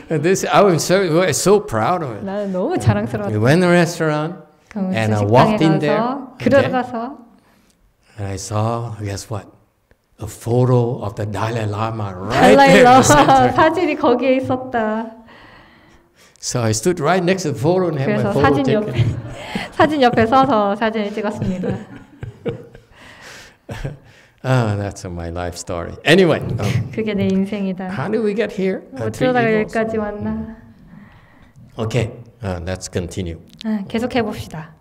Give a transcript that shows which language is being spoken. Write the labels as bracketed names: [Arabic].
[English] This I was so proud of it. [Korean] 나는 너무 자랑스러워. [English] We went to the restaurant and I walked in there. [Korean] 들어가서 [English] And I saw, guess what? A photo of the Dalai Lama right there. [Korean] 달라이 라마 사진이 거기에 있었다. [English] So I stood right next to the photo and had my photo taken. [Korean] 사진 옆에 사진 옆에 서서 사진을 찍었습니다. [English] Ah, that's my life story. Anyway, [Korean] 그게 내 인생이다. [English] How did we get here? [Korean] 어쩌다가 여기까지 왔나? [English] Okay, let's continue. [Korean] 계속해 봅시다.